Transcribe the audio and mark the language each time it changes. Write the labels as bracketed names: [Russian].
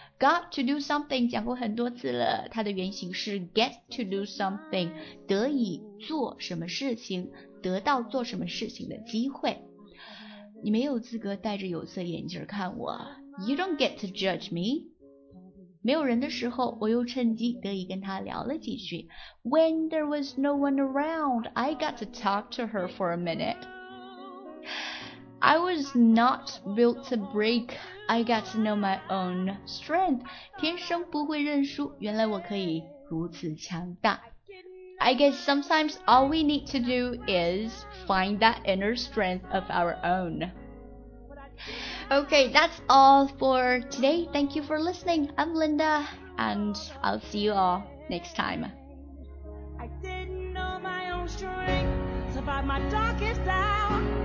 [English] Got to do something [Chinese] 讲过很多次了，它的原型是 [English] get to do something, [Chinese] 得以做什么事情，得到做什么事情的机会。你没有资格戴着有色眼镜看我。 [English] You don't get to judge me. [Chinese] 没有人的时候，我又趁机得以跟他聊了几句。 [English] When there was no one around, I got to talk to her for a minute. I was not built to break. I got to know my own strength. [Chinese] 天生不会认输，原来我可以如此强大。 [English] I guess sometimes all we need to do is find that inner strength of our own. Okay, that's all for today. Thank you for listening. I'm Linda, and I'll see you all next time. I didn't know my own strength, survived my darkest hour.